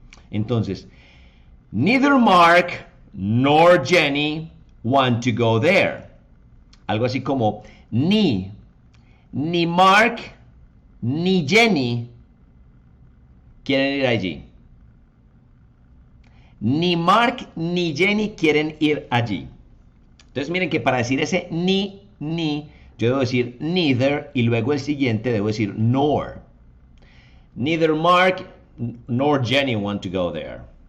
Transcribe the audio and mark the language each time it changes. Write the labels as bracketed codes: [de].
[en] Entonces, neither Mark nor Jenny want to go there. [es] Algo así como ni Mark ni Jenny quieren ir allí. Ni Mark ni Jenny quieren ir allí. Entonces miren que para decir ese ni, yo debo decir neither y luego el siguiente debo decir nor. [en] Neither Mark nor Jenny want to go there.